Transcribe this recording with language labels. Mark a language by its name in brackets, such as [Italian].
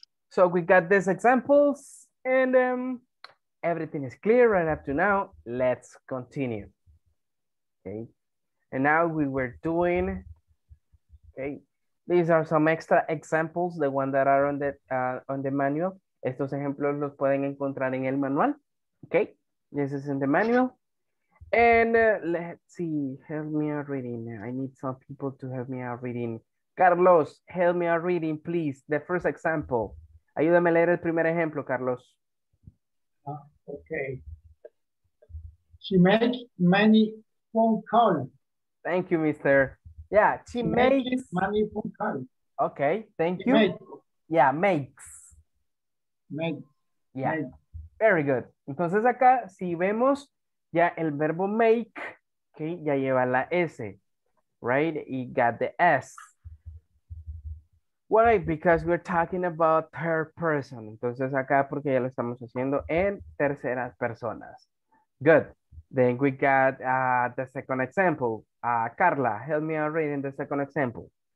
[English] So we got these examples and everything is clear right up to now. Let's continue. Okay. And now we were doing, okay. These are some extra examples, the one that are on the manual. [Spanish] Estos ejemplos los pueden encontrar en el manual. [English] Okay, this is in the manual. And let's see, help me out reading. I need some people to help me out reading. Carlos, help me out reading, please. The first example. [Spanish] Ayúdame a leer el primer ejemplo, Carlos. [English] Okay. She made many phone calls. Thank you, mister. Yeah, she makes money from car. Okay, thank you. Made. Yeah, makes. Make. Yeah. Made. Very good. [Spanish] Entonces acá, si vemos, ya el verbo make, okay, ya lleva la S, right? [English] Y got the S. Why? Because we're talking about third person. [Spanish] Entonces acá, porque ya lo estamos haciendo en terceras personas. [English] Good. Then we got the second example. Carla, help me out reading the second example.